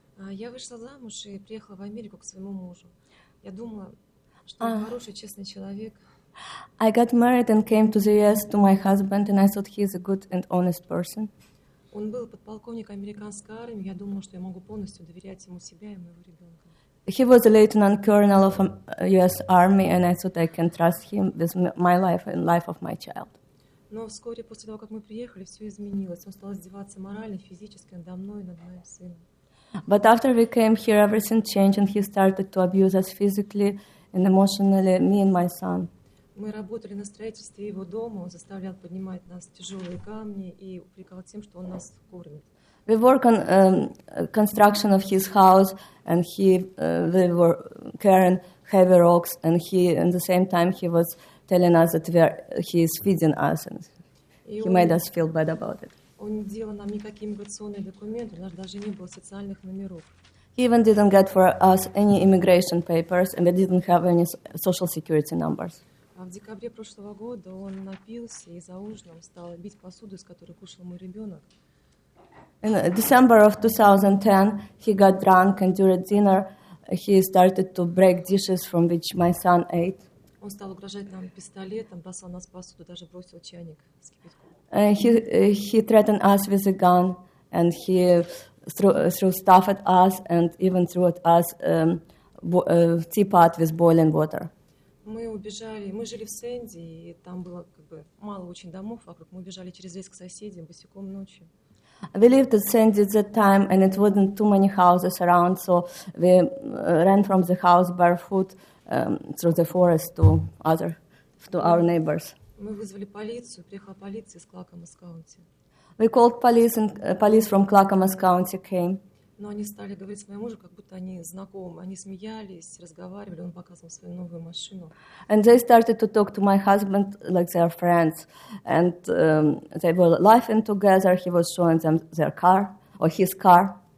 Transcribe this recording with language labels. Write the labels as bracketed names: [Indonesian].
[Russian] Я вышла замуж и приехала в Америку к своему мужу. Я думала, что он хороший, честный человек. [English] I got married and came to the U.S. to my husband, and I thought he is a good and honest person. [Russian] Он был подполковник американской армии. Я думала, что я могу полностью доверять ему себя и моего ребенка. [English] He was a lieutenant colonel of U.S. Army, and I thought I can trust him with my life and life of my child. [Russian] Но вскоре после того, как мы приехали, все изменилось. Он стал издеваться морально, физически надо мной и над моим сыном. [English] But after we came here, everything changed, and he started to abuse us physically and emotionally, me and my son. [Russian] Мы работали на строительстве его дома. Он заставлял поднимать нас тяжелые камни и упрекал тем, что он нас кормит. [English] We work on construction of his house, and he we were carrying heavy rocks, and he at the same time he was telling us that he is feeding us, and he made us feel bad about it. [Russian] Он не делал нам никакие иммиграционные документы, у нас даже не было социальных номеров. [English] He even didn't get for us any immigration papers, and we didn't have any social security numbers. [Russian] А в декабре прошлого года он напился и за ужином стал бить посуду, из которой кушал мой ребенок. [English] In December of 2010, he got drunk, and during dinner he started to break dishes, from which my son ate. [Russian] Он стал угрожать нам пистолетом, бросал нас посуду, даже бросил чайник с кипятком. [English] He threatened us with a gun, and he threw stuff at us, and even threw at us teapot with boiling water. [Russian] Мы убежали. Мы жили в Сэнди, и там было как бы мало очень домов вокруг. Мы убежали через лес к соседям босиком ночью. [English] We lived at Sandy at that time, and it wasn't too many houses around, so we ran from the house barefoot through the forest to our neighbors. [Russian] Мы вызвали полицию. Приехала полиция из Клакамас Каунти. [English] We called police, and police from Clackamas County came. [Russian] Но они стали говорить с моим мужем, как будто они знакомы. Они смеялись, разговаривали, он показывал свою новую машину. [English] And they started to talk to my husband like they are friends. And they were laughing together. He was showing them their car, or his car.